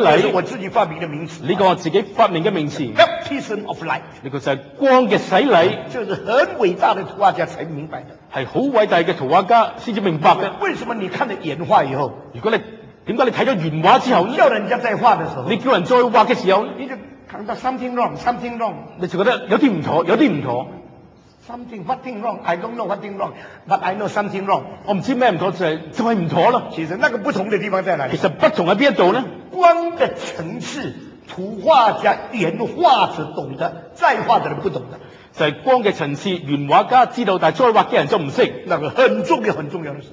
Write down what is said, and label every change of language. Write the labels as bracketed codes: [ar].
[zh] 这是我自己发明的名词。这个我自己发明的名词。 [en] Baptism of light。 [zh] 这个就是光的洗礼。就是很伟大的图画家才明白的。是很伟大的图画家才明白的。为什么你看了原画以后。如果你为什么你看了原画之后。叫人家在画的时候。你叫人再画的时候。你就感到 [en] something wrong, something wrong。 [zh] 你就觉得有点不妥，有点不妥。 [en] Something, what thing wrong? I don't know what thing wrong, but I know something wrong. [zh] 我不知道什么不妥，就是不妥了。其实那个不同的地方在哪里？其实不同在哪里呢？光的层次，图画家原画者懂得，再画的人不懂的。就是光的层次，原画家知道，但再画的人就不懂。那个很重要，很重要的事。